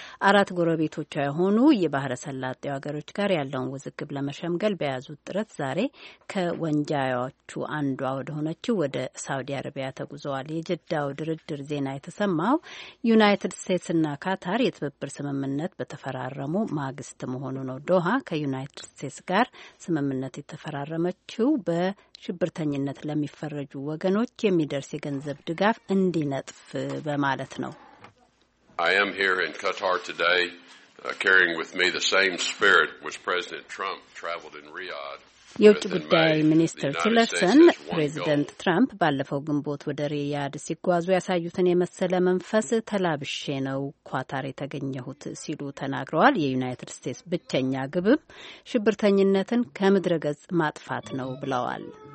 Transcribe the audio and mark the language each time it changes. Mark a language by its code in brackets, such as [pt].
[am] አራት ጎረቤቶቿ የሆኑ የባህረ ሰላጤው ሀገሮች ጋር ያለውን ውዝግብ ለመሸምገል በያዙት ጥረት ዛሬ ከወንጃያዎቹ አንዷ ወደ ሆነችው ወደ ሳውዲ አረቢያ ተጉዘዋል። የጅዳው ድርድር ዜና የተሰማው ዩናይትድ ስቴትስና ካታር የትብብር ስምምነት በተፈራ የተፈራረሙ ማግስት መሆኑ ነው። ዶሃ ከዩናይትድ ስቴትስ ጋር ስምምነት የተፈራረመችው በሽብርተኝነት ለሚፈረጁ ወገኖች የሚደርስ የገንዘብ ድጋፍ እንዲነጥፍ በማለት ነው። [en] I am here in Qatar today carrying with me the same spirit which President Trump traveled in Riyadh. [am] የውጭ ጉዳይ ሚኒስትር ቲለርሰን ፕሬዚደንት ትራምፕ ባለፈው ግንቦት ወደ ሪያድ ሲጓዙ ያሳዩትን የመሰለ መንፈስ ተላብሼ ነው ኳታር የተገኘሁት ሲሉ ተናግረዋል። የዩናይትድ ስቴትስ ብቸኛ ግብም ሽብርተኝነትን ከምድረ ገጽ ማጥፋት ነው ብለዋል።